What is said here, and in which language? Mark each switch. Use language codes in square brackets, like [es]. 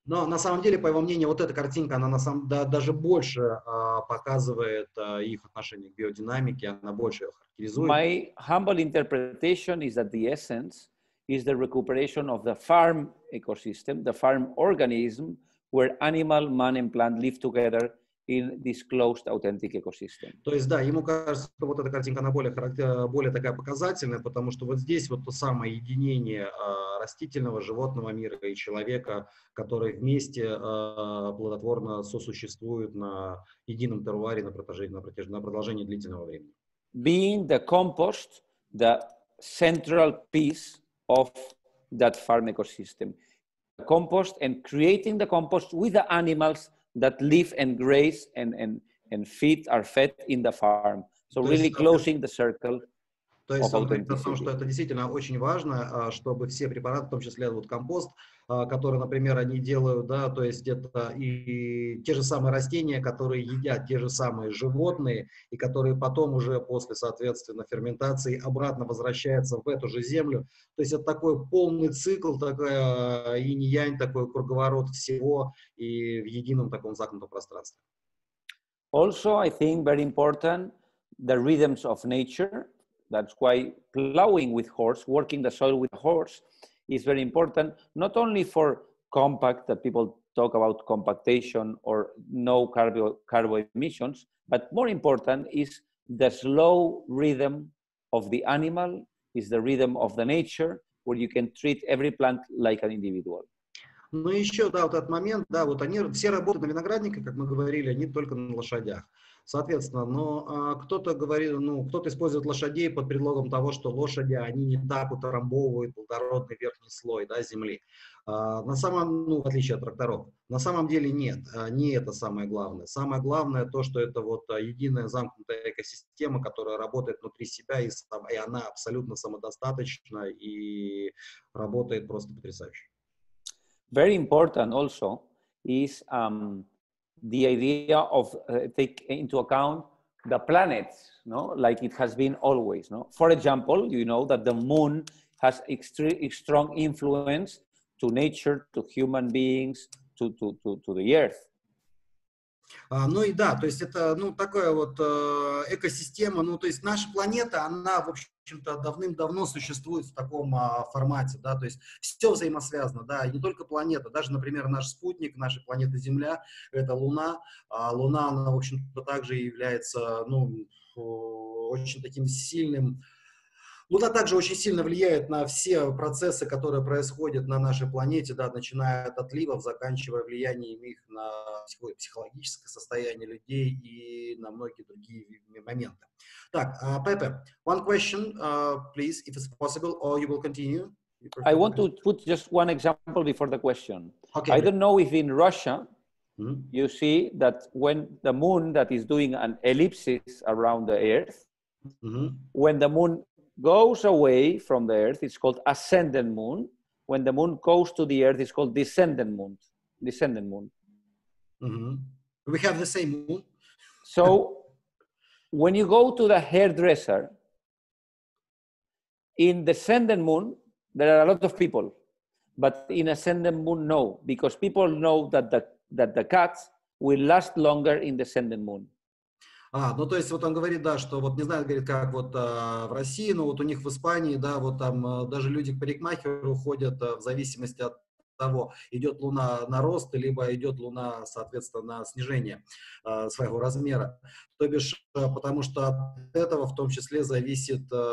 [ru] Но на самом деле, по его мнению, вот эта картинка, она на самом даже больше показывает их отношение к биодинамике, она больше ее характеризует. [en] My humble interpretation is that the essence is the recuperation of the farm ecosystem, the farm organism, where animal, man, and plant live together in this closed authentic ecosystem. [ru] То есть, да, ему кажется, что вот эта картинка она более более такая показательная, потому что вот здесь вот то самое единение растительного, животного мира и человека, которые вместе плодотворно сосуществуют на едином терруаре на продолжении длительного времени. [en] Being the compost, the central piece of that farm ecosystem. The compost and creating the compost with the animals that live and graze and feed are fed in the farm. So really closing the circle. [ru] То есть он говорит о том, что это действительно очень важно, чтобы все препараты, в том числе вот компост, который, например, они делают, да, то есть это и те же самые растения, которые едят те же самые животные, и которые потом уже после, соответственно, ферментации обратно возвращаются в эту же землю. То есть это такой полный цикл, такая инь-янь, такой круговорот всего и в едином таком замкнутом пространстве. [en] Also, I think very important, the rhythms of nature. That's why plowing with horse, working the soil with horse, is very important, not only for compact, that people talk about compactation or no carbon emissions, but more important is the slow rhythm of the animal, is the rhythm of the nature, where you can treat every plant like an individual. [ru] Ну еще, да, вот этот момент, да, вот они все работают на винограднике, как мы говорили, они только на лошадях. Соответственно, но кто-то говорит, ну, кто-то использует лошадей под предлогом того, что лошади, они не так утрамбовывают плодородный верхний слой, да, земли. На самом, ну, в отличие от тракторов, на самом деле нет, не это самое главное. Самое главное то, что это вот единая замкнутая экосистема, которая работает внутри себя, и она абсолютно самодостаточна и работает просто потрясающе. [en] Very important also is the idea of take into account the planets, no, like it has been always. No, for example, you know that the moon has strong influence to nature, to human beings, to the earth. [ru] Ну и да, то есть это, ну, такая вот экосистема, ну, то есть наша планета, она, в общем-то, давным-давно существует в таком формате, да, то есть все взаимосвязано, да, и не только планета, даже, например, наш спутник, наша планета Земля, это Луна, а Луна, она, в общем-то, также является, ну, очень таким сильным, Луна также очень сильно влияет на все процессы, которые происходят на нашей планете, да, начиная от отливов, заканчивая влиянием их на психологическое состояние людей и на многие другие моменты. Так, [en] Пепе, one question, please, if it's possible, or you will continue. I want to put just one example before the question. Okay. I don't know if in Russia you see that when the moon that is doing an ellipsis around the Earth, when the moon goes away from the Earth, it's called ascendant moon. When the moon goes to the Earth, it's called descendant moon. Descendant moon. Mm-hmm. We have the same moon. So, when you go to the hairdresser, in descendant moon, there are a lot of people. But in ascendant moon, no. Because people know that the cut will last longer in descendant moon. [ru] А, ну то есть вот он говорит, да, что вот не знаю, говорит, как вот в России, но вот у них в Испании, да, вот там даже люди к парикмахеру ходят в зависимости от того, идет луна на рост, либо идет луна, соответственно, на снижение своего размера. То бишь, потому что от этого в том числе зависит